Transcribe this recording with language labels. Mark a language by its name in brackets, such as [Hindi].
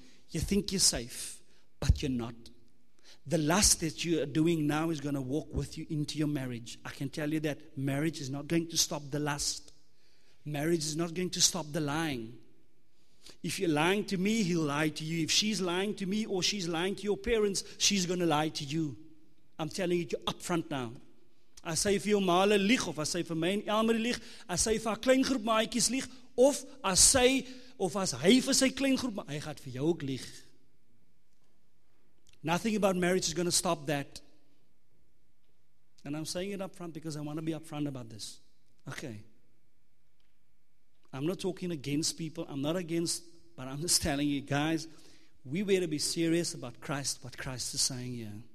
[English] You think you're safe, but you're not. The lust that you're doing now is going to walk with you into your marriage. I can tell you that marriage is not going to stop the lust. Marriage is not going to stop the lying. If you're lying to me, he'll lie to you. If she's lying to me or she's lying to your parents, she's going to lie to you. I'm telling you up front now. [Afrikaans] As hy vir jou male lieg, of as hy vir my en Elmer lieg, as hy vir haar kleingroep maaikies lieg, of as hy, of as hy vir sy kleingroep maaikies lieg, hy gaat vir jou ook lieg. [English] Nothing about marriage is going to stop that. And I'm saying it up front because I want to be up front about this. Okay. I'm not talking against people. I'm not against, but I'm just telling you, guys, we better be serious about Christ, what Christ is saying here.